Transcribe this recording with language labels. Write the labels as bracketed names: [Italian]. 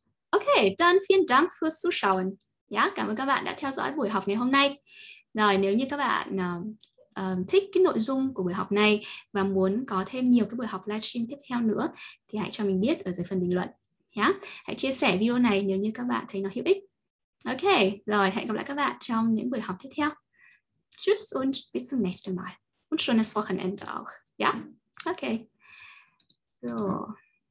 [German] Ok, dann vielen Dank fürs Zuschauen. [Vietnamese] Ja, cảm ơn các bạn đã theo dõi buổi học ngày hôm nay. Rồi, nếu như các bạn thích cái nội dung của buổi học này và muốn có thêm nhiều cái buổi học livestream tiếp theo nữa thì hãy cho mình biết ở dưới phần bình luận. Yeah. Hãy chia sẻ video này nếu như các bạn thấy nó hữu ích. Ok, rồi, hẹn gặp lại các bạn trong những buổi học tiếp theo. [German] Tschüss und bis zum nächsten Mal. Und schönes Wochenende auch. Ja, yeah? Ok. So.